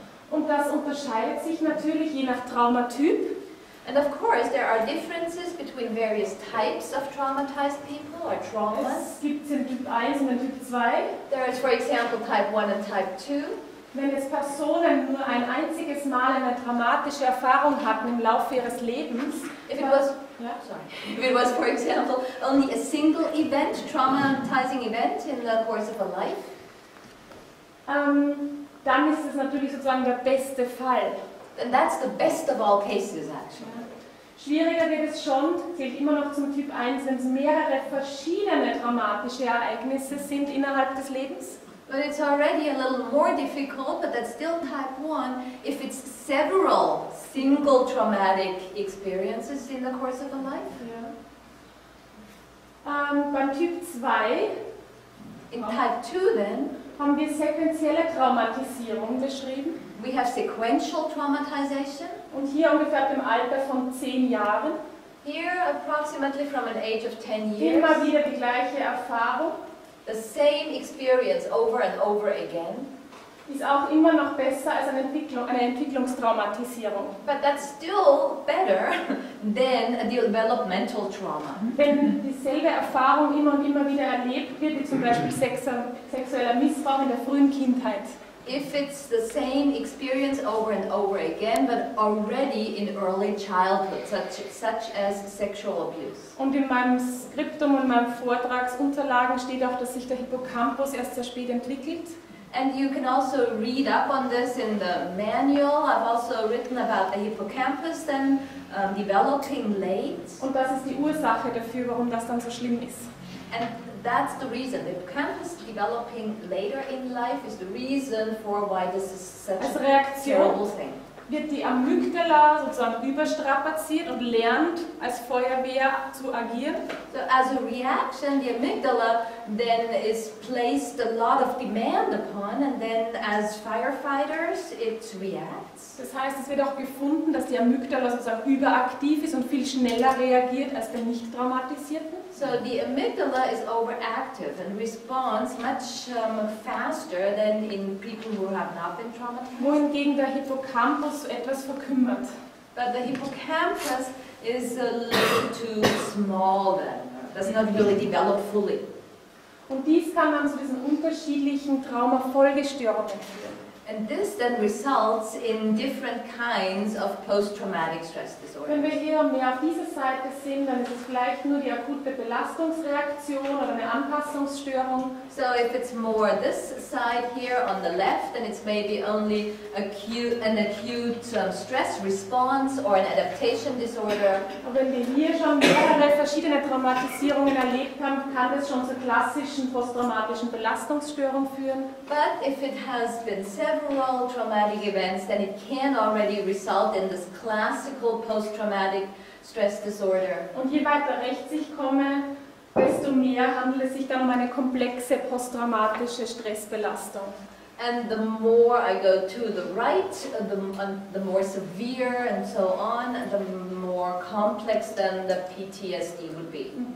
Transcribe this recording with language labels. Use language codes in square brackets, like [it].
[de] Und das unterscheidet sich natürlich je nach Traumatyp. [en] And of course there are differences between various types of traumatized people or traumas. [de] Es gibt den Typ 1 und den Typ 2. [en] There is, for example, type 1 and type 2. [de] Wenn es Personen nur ein einziges Mal eine traumatische Erfahrung hatten im Laufe ihres Lebens. [en] If it was, for example, only a single event, traumatizing event in the course of a life, [de] dann ist es natürlich sozusagen der beste Fall. [en] And that's the best of all cases, actually. [de] Schwieriger wird es schon, zählt immer noch zum Typ 1, wenn es mehrere verschiedene traumatische Ereignisse sind innerhalb des Lebens. [en] But it's already a little more difficult, but that's still type 1, if it's several single traumatic experiences in the course of a life. Yeah. [de] Beim Typ 2, [en] in type 2 then, [de] haben wir sequentielle Traumatisierung beschrieben. [en] We have sequential traumatization. [de] Und hier ungefähr im Alter von 10 Jahren. [en] Here approximately from an age of 10 years. [de] Immer wieder die gleiche Erfahrung. [en] The same experience over and over again. [de] Ist auch immer noch besser als eine Entwicklungstraumatisierung. [en] But that's still better than a developmental trauma. [de] Wenn dieselbe Erfahrung immer und immer wieder erlebt wird, wie zum Beispiel sexueller Missbrauch in der frühen Kindheit. [en] If it's the same experience over and over again, but already in early childhood, such as sexual abuse. [de] Und in meinem Skriptum und meinem Vortragsunterlagen steht auch, dass sich der Hippocampus erst sehr spät entwickelt. [en] And you can also read up on this in the manual. I've also written about the hippocampus then developing late. [de] Und das ist die Ursache dafür, warum das dann so schlimm ist. [en] And that's the reason. The hippocampus developing later in life is the reason for why this is such [de] als Reaktion [en] a terrible thing. [de] Wird die Amygdala sozusagen überstrapaziert und lernt, als Feuerwehr zu agieren. [en] So as a reaction, the amygdala then is placed a lot of demand upon, and then as firefighters, it reacts. [de] Das heißt, es wird auch gefunden, dass die Amygdala sozusagen überaktiv ist und viel schneller reagiert als der nicht traumatisierten. [en] So the amygdala is overactive and responds much faster than in people who have not been traumatized. [de] Wohingegen der Hippocampus etwas verkümmert. [en] But the hippocampus is a little too small then. Does not really develop fully. [de] Und dies kann dann zu diesen unterschiedlichen Traumafolgestörungen führen. [en] And this then results in different kinds of post-traumatic stress disorder. [de] Wenn wir hier mehr auf dieser Seite sehen, dann ist es vielleicht nur die akute Belastungsreaktion oder eine Anpassungsstörung. [en] So if it's more this side here on the left, then it's maybe only an acute stress response or an adaptation disorder. [de] Und wenn wir hier schon mehrere verschiedene Traumatisierungen erlebt haben, kann das schon zur klassischen posttraumatischen Belastungsstörung führen. [en] But if it has been several traumatic events, then it can already result in this classical post-traumatic stress disorder. [de] Und je weiter rechts ich komme, desto mehr handelt es sich dann um eine komplexe posttraumatische Stressbelastung. [en] And the more I go to the right, the more severe and so on, the more complex then the PTSD would be.